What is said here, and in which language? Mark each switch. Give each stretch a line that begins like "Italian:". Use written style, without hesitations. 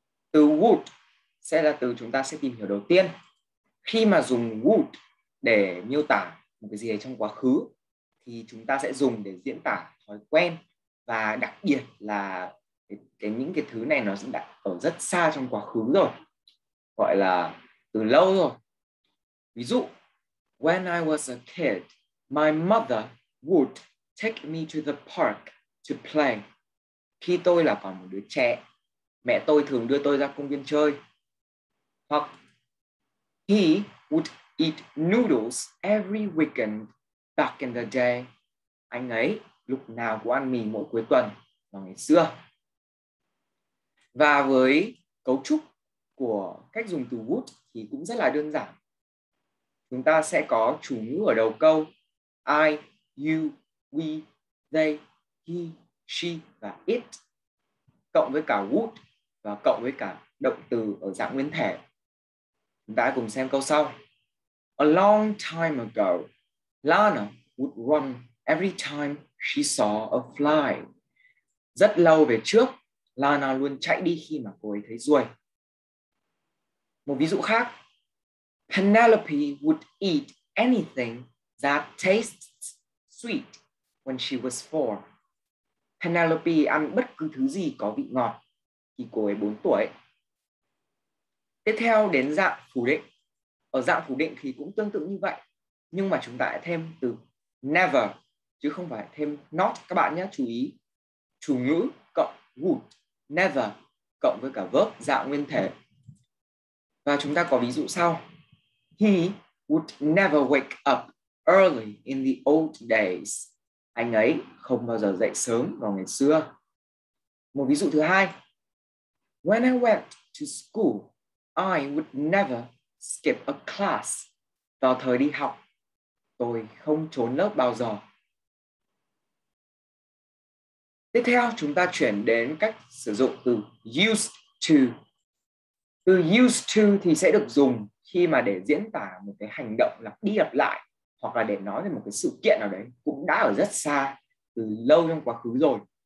Vietnamese: Từ would sẽ là từ chúng ta sẽ tìm hiểu đầu tiên. Khi mà dùng would để miêu tả một cái gì đấy trong quá khứ thì chúng ta sẽ dùng để diễn tả thói quen, và đặc biệt là những cái thứ này nó đã ở rất xa trong quá khứ rồi, gọi là từ lâu rồi. Ví dụ,
English: when I was a kid, my mother would take me to the park to play.
Vietnamese: Khi tôi là còn một đứa trẻ, mẹ tôi thường đưa tôi ra công viên chơi. Hoặc,
English: he would eat noodles every weekend back in the day.
Vietnamese: Anh ấy lúc nào cũng ăn mì mỗi cuối tuần vào ngày xưa. Và với cấu trúc của cách dùng từ would thì cũng rất là đơn giản. Chúng ta sẽ có chủ ngữ ở đầu câu: I, you, we, they, he, she và it, cộng với cả would và cộng với cả động từ ở dạng nguyên thể. Chúng ta cùng xem câu sau.
English: A long time ago, Lana would run every time she saw a fly.
Vietnamese: Rất lâu về trước, Lana luôn chạy đi khi mà cô ấy thấy ruồi. Một ví dụ khác,
English: Penelope would eat anything that tastes sweet when she was four.
Vietnamese: Penelope ăn bất cứ thứ gì có vị ngọt khi cô ấy 4 tuổi. Tiếp theo đến dạng phủ định. Ở dạng phủ định thì cũng tương tự như vậy, nhưng mà chúng ta lại thêm từ never, chứ không phải thêm not các bạn nhé, chú ý. Chủ ngữ cộng would, never, cộng với cả verb dạng nguyên thể. Và chúng ta có ví dụ sau.
English: He would never wake up early in the old days.
Vietnamese: Anh ấy không bao giờ dậy sớm vào ngày xưa. Một ví dụ thứ hai.
English: When I went to school, I would never skip a class.
Vietnamese: Vào thời đi học, tôi không trốn lớp bao giờ. Tiếp theo, chúng ta chuyển đến cách sử dụng từ used to. Từ used to thì sẽ được dùng khi mà để diễn tả một cái hành động lặp đi lặp lại, hoặc là để nói về một cái sự kiện nào đấy cũng đã ở rất xa, từ lâu trong quá khứ rồi.